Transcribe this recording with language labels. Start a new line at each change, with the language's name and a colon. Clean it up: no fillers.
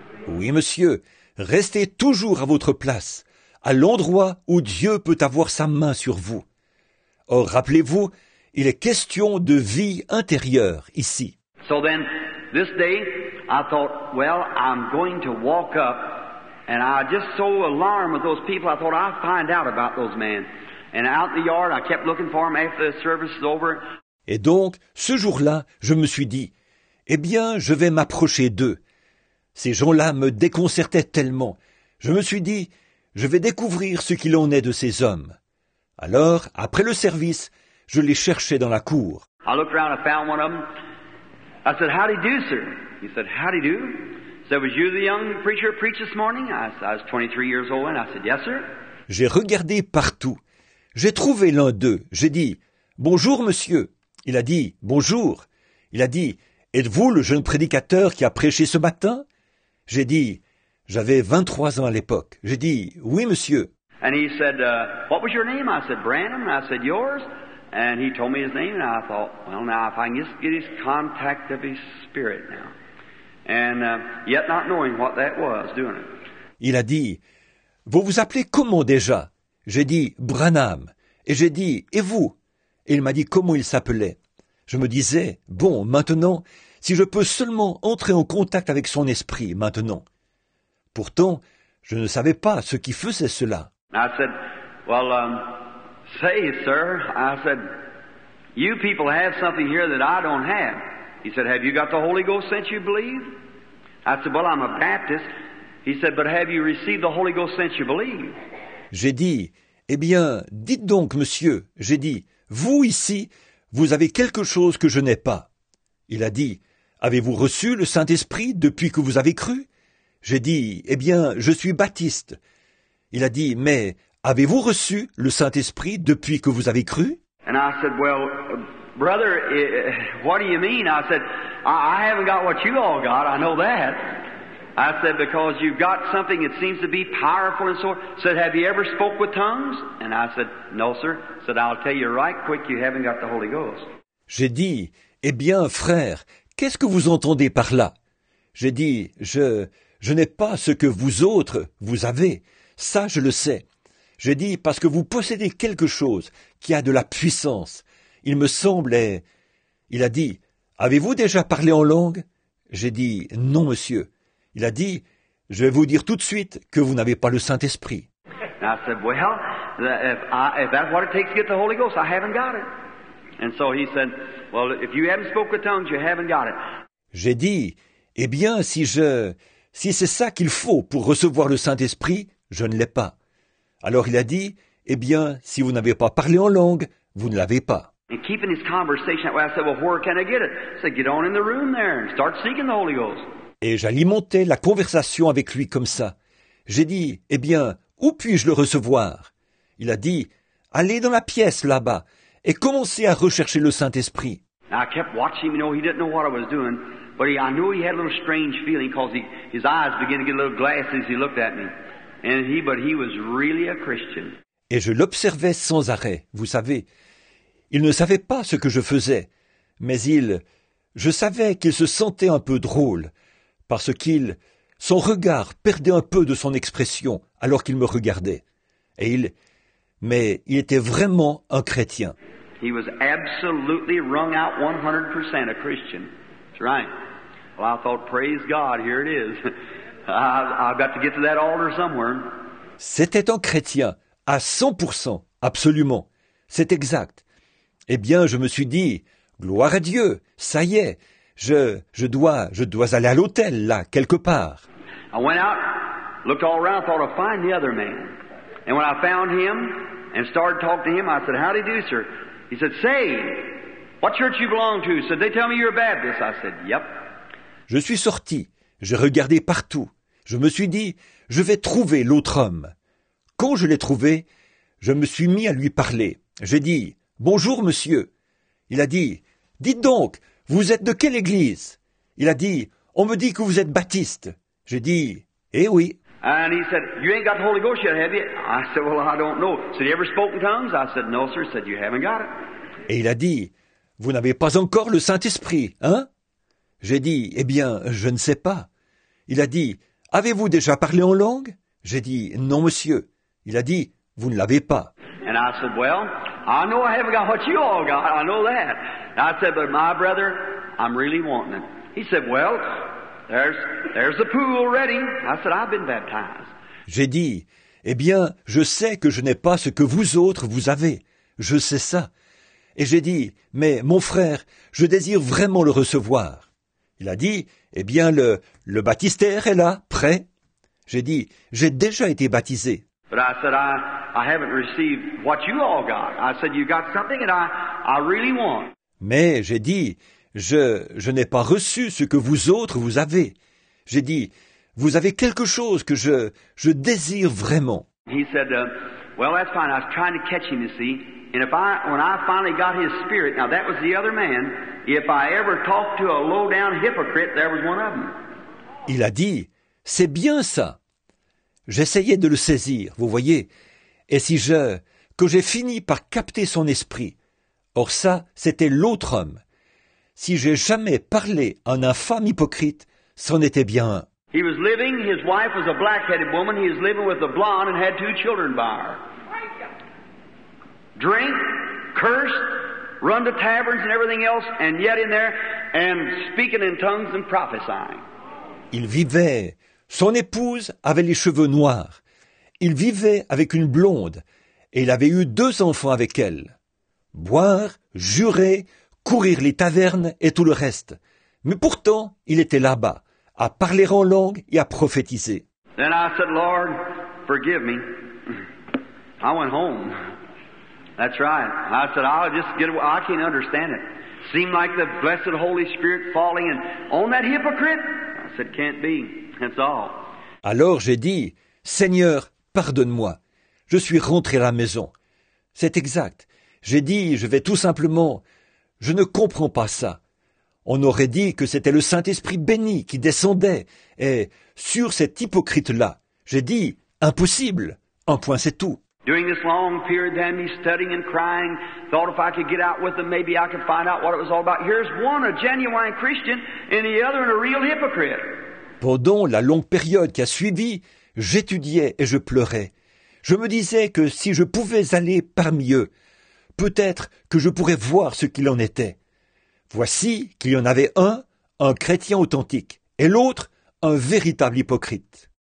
French: Oui, monsieur. Restez toujours à votre place, à l'endroit où Dieu peut avoir sa main sur vous. Or, rappelez-vous, il est question de vie intérieure ici.
English: So then, this day, I thought, well, I'm going to walk up, and I just so alarmed with those people, I thought, I'll find out about those men. And out in the yard, I kept looking for them after the service is over.
French: Et donc, ce jour-là, je me suis dit, eh bien, je vais m'approcher d'eux. Ces gens-là me déconcertaient tellement. Je me suis dit, je vais découvrir ce qu'il en est de ces hommes. Alors, après le service, je les cherchais dans la cour.
English: I looked around, I found one of them. I said, how do you do, sir? He said, how do you do? He said, was you the young preacher who preached this morning? I was 23 years old. And I said, yes, sir.
French: J'ai regardé partout. J'ai trouvé l'un d'eux. J'ai dit, bonjour, monsieur. Il a dit, bonjour. Il a dit, êtes-vous le jeune prédicateur qui a prêché ce matin? J'ai dit, j'avais 23 ans à l'époque. J'ai dit, oui, monsieur.
English: And he said, what was your name? I said, Branham. And I said, yours? And he told me his name, and I thought, well, now if I can just get his contact of his spirit now. And yet not knowing what that was, doing it.
French: Il a dit, vous vous appelez comment déjà? J'ai dit, Branham. Et j'ai dit, et vous? Et il m'a dit comment il s'appelait. Je me disais, bon, maintenant, si je peux seulement entrer en contact avec son esprit maintenant. Pourtant, je ne savais pas ce qui faisait cela.
English: I said, well, say, sir, I said, you people have something here that I don't have. He said, have you got the Holy Ghost since you believe? I said, well, I'm a Baptist. He said, but have you received the Holy Ghost since you believe?
French: J'ai dit, eh bien, dites donc, monsieur, j'ai dit, vous ici, vous avez quelque chose que je n'ai pas. Il a dit, avez-vous reçu le Saint-Esprit depuis que vous avez cru? J'ai dit, eh bien, je suis baptiste. Il a dit, mais avez-vous reçu le Saint-Esprit depuis que vous avez cru?
English: And I said, well, brother, what do you mean? I said, I haven't got what you all got, I know that. I said, because you've got something that seems to be powerful and so on. Said, have you ever spoke with tongues? And I said, no, sir. Said, I'll tell you right quick, you haven't got the Holy Ghost.
French: J'ai dit, eh bien, frère, qu'est-ce que vous entendez par là? J'ai dit, je n'ai pas ce que vous autres, vous avez. Ça, je le sais. J'ai dit, parce que vous possédez quelque chose qui a de la puissance. Il me semblait... Il a dit, avez-vous déjà parlé en langue? J'ai dit, non, monsieur. Il a dit, je vais vous dire tout de suite que vous n'avez pas le Saint-Esprit.
English: I said, well, if that's what it takes to get the Holy Ghost, I haven't got it. And so he said, Well, if you haven't spoken tongues, you haven't got it.
French: J'ai dit, eh bien, si c'est ça qu'il faut pour recevoir le Saint-Esprit, je ne l'ai pas. Alors il a dit, eh bien, si vous n'avez pas parlé en langue, vous ne l'avez pas.
English: And keeping his conversation that way, I said, well, where can I get it? I said, get on in the room there and start seeking the Holy Ghost.
French: Et j'alimentais la conversation avec lui comme ça. J'ai dit, eh bien, où puis-je le recevoir? Il a dit, allez dans la pièce là-bas et commencez à rechercher le Saint-Esprit.
English: I kept watching him, you know, he didn't know what I was doing, but I knew he had a little strange feeling because his eyes began to get a little glassy as he looked at me. But he was really a Christian.
French: Et je l'observais sans arrêt, vous savez. Il ne savait pas ce que je faisais, mais je savais qu'il se sentait un peu drôle, parce qu'il, son regard perdait un peu de son expression alors qu'il me regardait. Mais il était vraiment un chrétien.
English: He was absolutely wrung out 100% a Christian. That's right. Well, I thought, praise God, here it is. I've got to get to that altar somewhere.
French: C'était un chrétien, à 100%, absolument. C'est exact. Eh bien, je me suis dit, gloire à Dieu, ça y est, je dois aller à l'hôtel, là, quelque part.
English: I went out, looked all around, thought I'd find the other man. And when I found him and started talking to him, I said, how do you do, sir? He said, say, what church you belong to? He said, they tell me you're a Baptist. I said, yep.
French: Je suis sorti, j'ai regardé partout. Je me suis dit, je vais trouver l'autre homme. Quand je l'ai trouvé, je me suis mis à lui parler. J'ai dit, bonjour, monsieur. Il a dit, dites donc, vous êtes de quelle église? Il a dit, on me dit que vous êtes baptiste. J'ai dit, eh oui.
English: And he said, you ain't got the Holy Ghost yet, have you? I said, well, I don't know. Said, you ever spoken tongues? I said, no, sir. Said, you haven't got it.
French: Et il a dit, vous n'avez pas encore le Saint-Esprit, hein? J'ai dit, eh bien, je ne sais pas. Il a dit, avez-vous déjà parlé en langue? J'ai dit, non, monsieur. Il a dit, vous ne l'avez pas.
English: And I said, well, I know I haven't got what you all got. I know that. And I said, but my brother, I'm really wanting it. He said, well, there's the pool ready. I said, I've been baptized.
French: J'ai dit, eh bien, je sais que je n'ai pas ce que vous autres vous avez. Je sais ça. Et j'ai dit, mais mon frère, je désire vraiment le recevoir. Il a dit, eh bien, le baptistère est là, prêt. J'ai dit, j'ai déjà été baptisé.
English: But I said, I haven't received what you all got. I said, you got something that I really want.
French: Mais j'ai dit, je n'ai pas reçu ce que vous autres vous avez. J'ai dit, vous avez quelque chose que je désire vraiment.
English: He said, well, that's fine. I was trying to catch him, you see. And when I finally got his spirit, now that was the other man, if I ever talked to a low-down hypocrite, there was one of them.
French: Il a dit, c'est bien ça. J'essayais de le saisir, vous voyez. Et que j'ai fini par capter son esprit. Or ça, c'était l'autre homme. Si j'ai jamais parlé à un infâme hypocrite, c'en était bien un.
English: He was living, his wife was a black-headed woman, he was living with a blonde and had two children by her. Drink, cursed, run to taverns and everything else, and yet in there, and speaking in tongues and prophesying.
French: Il vivait. Son épouse avait les cheveux noirs. Il vivait avec une blonde, et il avait eu deux enfants avec elle. Boire, jurer, courir les tavernes et tout le reste. Mais pourtant, il était là-bas, à parler en langue et à prophétiser.
English: Then I said, Lord, forgive me. I went home. That's right. I said, I'll just get away. I can't understand it. Seemed like the blessed Holy Spirit falling and on that hypocrite. I said, can't be. That's all.
French: Alors j'ai dit, Seigneur, pardonne-moi. Je suis rentré à la maison. C'est exact. J'ai dit, je vais tout simplement, je ne comprends pas ça. On aurait dit que c'était le Saint-Esprit béni qui descendait et sur cet hypocrite-là. J'ai dit, impossible. Un point, c'est tout.
English: During this long period, then he's studying and crying. Thought if I could get out with him, maybe I could find out what it was all about. Here's one, a genuine Christian, and the other, a real hypocrite.
French: Pendant la longue période qui a suivi, j'étudiais et je pleurais. Je me disais que si je pouvais aller parmi eux, peut-être que je pourrais voir ce qu'il en était. Voici qu'il y en avait un chrétien authentique, et l'autre, un véritable hypocrite.